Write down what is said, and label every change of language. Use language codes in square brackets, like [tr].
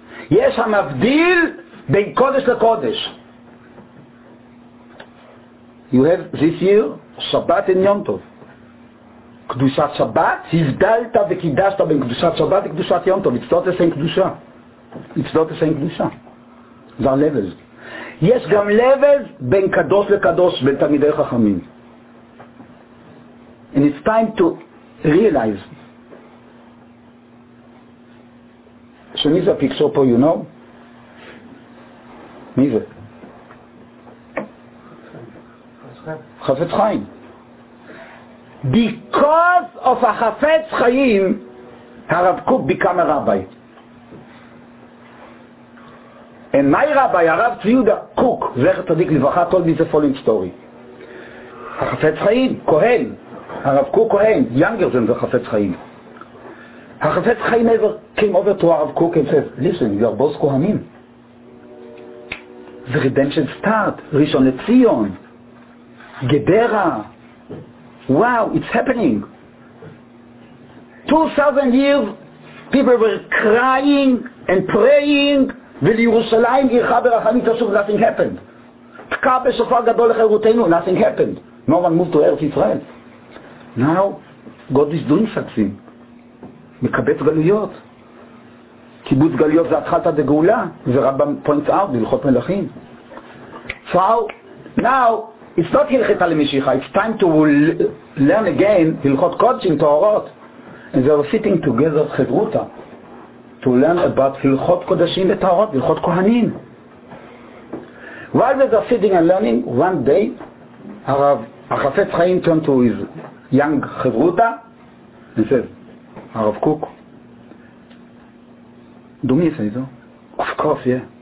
[he] יש המבדיל בין קודש לקודש. [en] You have this year Shabbat and Yom Tov. [he] Kedushat Shabbat, הבדלת וקידשת בין קדושת שבת וקדושת יום טוב. [en] It's not the same קדושה. It's not the same קדושה. There are levels. [he] יש גם levels בין קדוש לקדוש, בין תלמידי חכמים. [en] And it's time to realize. [he] So מי זה הפיקסור פה, [en] you know? [he] מי זה? חפץ חיים. [en] Because of a חפץ חיים, הרב קוק become a rabbi. And my rabbi, הרב צבי יהודה קוק, [he] זכר צדיק לברכה, [en] told me the following story. [he] החפץ חיים, כהן, הרב קוק כהן, [en] younger than the [he] חפץ חיים. [en] החפץ חיים ever came over to הרב קוק and said, listen, you are both כהנים. The redemption start, ראשון לציון, גדרה. Wow, it's happening. 2,000 years, people were crying and praying, [he] ולירושלים גירך ברחמית השוב, [en] nothing happened. [he] תקע בשופר גדול לחירותינו, [en] nothing happened. No one moved to earth Israel. Now, God is doing something. [he] מקבץ גלויות. קיבוץ גלויות זה התחלת הגאולה, ורבם [en] points out, [he] בלכות מלאכים. [en] So, now, it's not [he] הלכת על המשיכה, [en] it's time to learn again, הלכות קודשים, תוארות. And they were sitting together, חברותה, to learn about הלכות קודשים ותוארות, הלכות כהנים. While they were sitting and learning, one day, הרב, החפץ חיים turned to his young חברותה, and said, הרב קוק, do me a favor? Of course, yeah.